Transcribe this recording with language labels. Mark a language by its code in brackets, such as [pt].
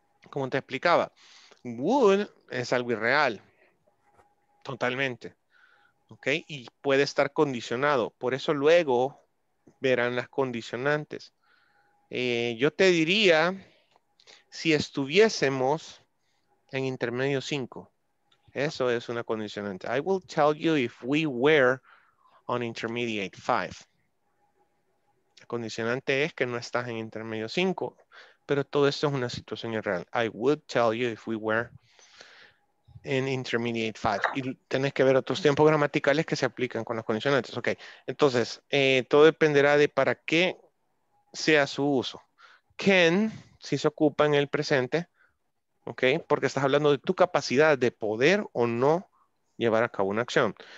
[es] Como te explicaba, would es algo irreal, totalmente, ¿ok? Y puede estar condicionado, por eso luego verán las condicionantes. Yo te diría, si estuviésemos en intermedio 5, eso es una condicionante. [en] I will tell you if we were on intermediate 5. [es] La condicionante es que no estás en intermedio 5, pero todo esto es una situación irreal. [en] I would tell you if we were in intermediate 5. [es] Y tenés que ver otros tiempos gramaticales que se aplican con las condicionantes. Ok, entonces, todo dependerá de para qué sea su uso. Can, si se ocupa en el presente, ok, porque estás hablando de tu capacidad de poder o no llevar a cabo una acción.